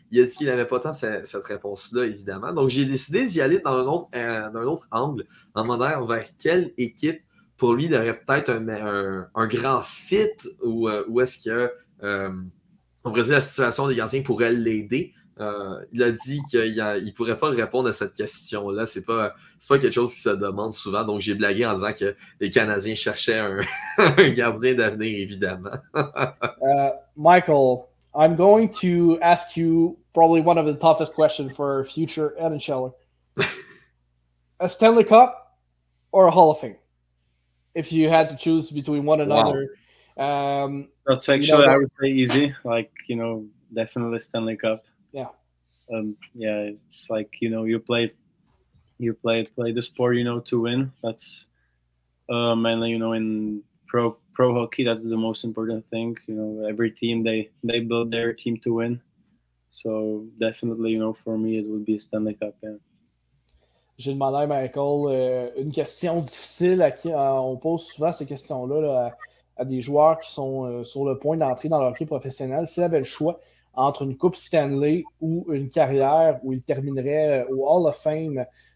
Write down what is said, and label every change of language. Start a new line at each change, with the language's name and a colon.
French: Il a dit qu'il n'avait pas tant cette réponse-là, évidemment. Donc, j'ai décidé d'y aller dans un autre angle en demandant vers quelle équipe pour lui il aurait peut-être un grand fit ou est-ce que on pourrait dire la situation des gardiens pourrait l'aider. Il a dit qu'il pourrait pas répondre à cette question-là. C'est pas quelque chose qui se demande souvent. Donc, j'ai blagué en disant que les Canadiens cherchaient un gardien d'avenir, évidemment.
English: Michael, I'm going to ask you probably one of the toughest questions for future NHLer. A Stanley Cup or a Hall of Fame? If you had to choose between one another. Wow. That's actually, you know, I would say easy. Like, you know, definitely Stanley Cup. Yeah, it's like you know you play the sport you know to win. That's mainly you know in pro hockey that's the most important thing. You know every team they build their team to win. So definitely you know for me it would be Stanley Cup. Yeah.
French: J'ai demandé à Michael une question difficile à qui on pose souvent ces questions-là là, à des joueurs qui sont sur le point d'entrer dans leur hockey professionnel. S'il avait le choix entre une Coupe Stanley ou une carrière où il terminerait au Hall of Fame.